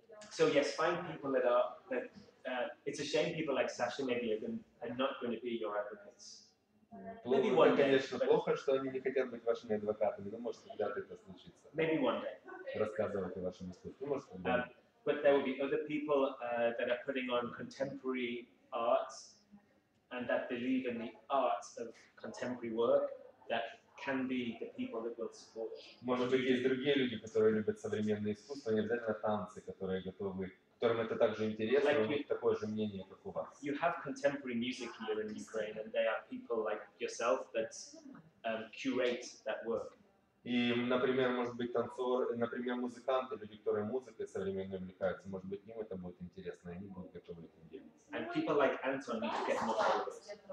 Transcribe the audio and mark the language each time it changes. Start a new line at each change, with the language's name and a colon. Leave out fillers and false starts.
English: So yes, find people that are that. It's a shame people like Sasha maybe are not going to be your advocates. Maybe one day.
Russian: Конечно, плохо, что они не хотят быть вашими адвокатами. Но может когда-то это случится.
English: Maybe one day.
Russian: Рассказывать о вашем искусстве. Может когда.
English: But there will be other people that are putting on contemporary art. And that believe in the art of contemporary work that can be the people that will support.
Russian: Может быть, есть другие люди, которые любят современное искусство, не обязательно танцы, которые готовы, которым это также интересно, у них такое же мнение, как у вас.
English: You have contemporary music here in Ukraine, and there are people like yourself that curate that work.
Russian: И, например, может быть, танцор, например, музыканты, люди, которые музыкой современной увлекаются, может быть, им это будет интересно, и они будут готовы к этому делиться.
English: And people like Anton need to get more followers.